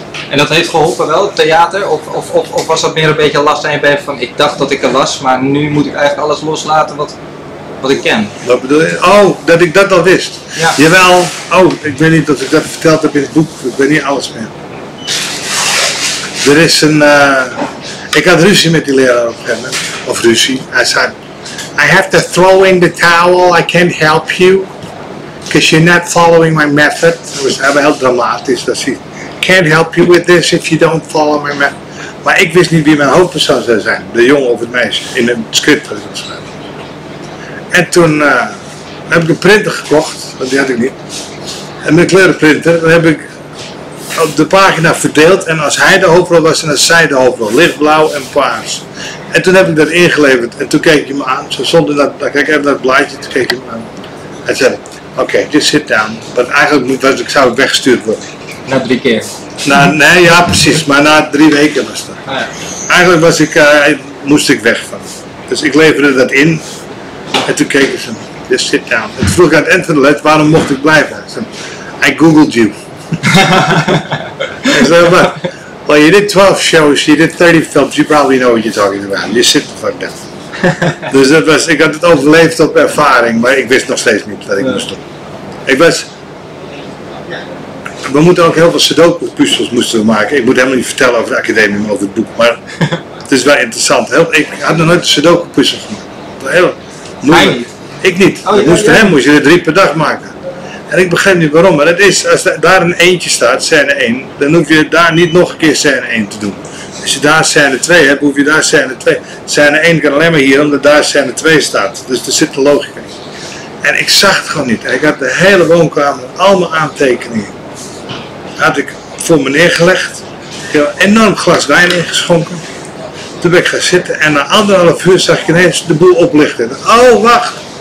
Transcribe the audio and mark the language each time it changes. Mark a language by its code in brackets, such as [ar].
[nl] En dat heeft geholpen wel, het theater? Of was dat meer een beetje last aan je bij van, ik dacht dat ik er was, maar nu moet ik eigenlijk alles loslaten wat ik ken? Wat bedoel je? Oh, dat ik dat al wist. Ja. Jawel, oh, ik weet niet of ik dat verteld heb in het boek, ik weet niet alles meer. Er is een, ik had ruzie met die leraar op hem, of ruzie. Hij zei, [en] I have to throw in the towel, I can't help you, because you're not following my method. [nl] Dat was heel dramatisch, dat hij, [en] can't help you with this if you don't follow my method. [nl] Maar ik wist niet wie mijn hoofdpersoon zou zijn, de jongen of het meisje, in een script. En toen heb ik een printer gekocht, want die had ik niet, en mijn kleurenprinter, dan heb ik op de pagina verdeeld en als hij de hoofdrol was, dan is zij de hoofdrol, lichtblauw en paars. En toen heb ik dat ingeleverd en toen keek hij me aan, zo zonder dat, dan kijk ik even naar het blaadje, toen keek hij me aan. Hij zei, oké, [en] just sit down, [nl] want eigenlijk was ik, zou ik weggestuurd worden. Na 3 keer? Nee, ja precies, maar na 3 weken was dat. Ah, ja. Eigenlijk was ik, moest ik weg van. Dus ik leverde dat in en toen keken ze, [en] just sit down. [nl] En toen vroeg ik aan het eind van de les, waarom mocht ik blijven? Hij zei, [en] I googled you. [nl] Ik zei, maar, [en] well, you did 12 shows, you did 30 films, you probably know what you're talking about. You sit the fuck down. [nl] Dus dat was, ik had het overleefd op ervaring, maar ik wist nog steeds niet dat ik moest doen. Ik was, we moeten ook heel veel Sudoku puzzels moesten maken. Ik moet helemaal niet vertellen over de academie, maar over het boek, maar het is wel interessant. Ik had nog nooit een Sudoku puzzel gemaakt. Heel moeilijk. Ik niet. Oh, moest, ja, ja. Hem moest je er 3 per dag maken. En ik begrijp niet waarom, maar het is, als daar een eentje staat, scène 1, dan hoef je daar niet nog een keer scène 1 te doen. Als je daar scène 2 hebt, hoef je daar scène 2. Scène 1 kan alleen maar hier, omdat daar scène 2 staat. Dus er zit de logica in. En ik zag het gewoon niet. Ik had de hele woonkamer, al mijn aantekeningen, had ik voor me neergelegd. Ik heb een enorm glas wijn ingeschonken. Toen ben ik gaan zitten en na 1,5 uur zag ik ineens de boel oplichten. Oh, wacht.